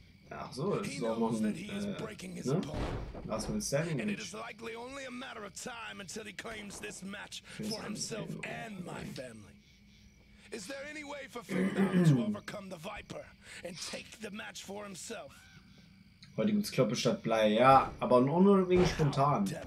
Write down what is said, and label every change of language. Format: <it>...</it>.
<de>Ach so, das ist auch noch ein, was mit Sandwich.</de> <en>And it is likely only a matter of time until he claims this match for himself and my family. Is there any way for Finn to overcome the Viper and take the match for himself?</en> <de>Heute gibt's Kloppe statt Blei, ja, aber nur wegen spontan.</de>